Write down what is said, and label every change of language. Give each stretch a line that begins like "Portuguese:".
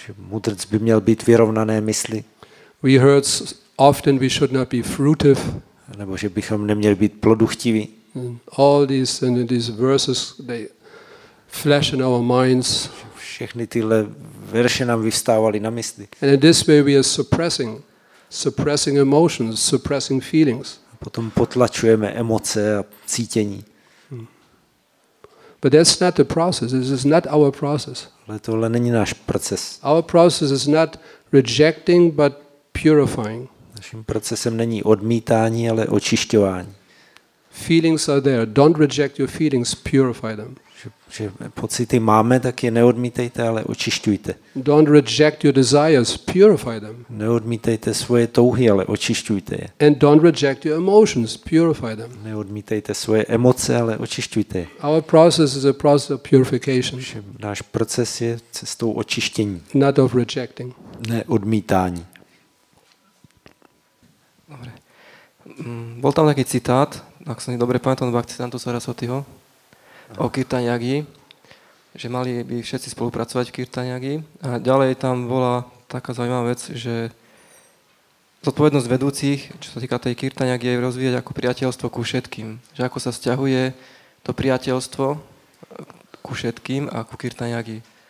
Czech: Mudrc by měl být vyrovnané mysli.
English: We heard often we should not be fruitive.
Czech: Nebo že bychom neměli být plodochtiví.
English: All these verses they flash in our minds.
Czech: Všechny tyhle verše nám vyvstávaly na mysli.
English: And in this way we are suppressing emotions, suppressing feelings.
Czech: A potom potlačujeme emoce a cítění.
English: But that's not the process. This is not our process.
Czech: Ale tohle není náš proces.
English: Our process is not rejecting but purifying.
Czech: Naším procesem není odmítání, ale očišťování.
English: Feelings are there. Don't reject your feelings. Purify them.
Czech: Že pocity máme, tak je neodmítejte, ale očišťujte.
English: Don't reject your desires, purify them.
Czech: Neodmítejte svoje touhy, ale očišťujte je.
English: And don't reject your emotions, purify them.
Czech: Neodmítejte svoje emoce, ale očišťujte je.
English: Our process is a process of purification.
Czech: Náš proces je cestou očištění.
English: Not of rejecting.
Czech: Ne odmítání. Dobře. Byl tam nějaký citát, jak jsem si dobře pamatoval, Bhaktisiddhanta Sarasvatiho.
Slovak: O Kirtanyagi, že mali by všetci spolupracovať v Kirtanyagi. A ďalej tam bola taká zaujímavá vec, že zodpovednosť vedúcich, čo sa týka tej Kirtanyagi, je rozvíjať ako priateľstvo ku všetkým. Že ako sa sťahuje to priateľstvo ku všetkým a ku Kirtanyagi.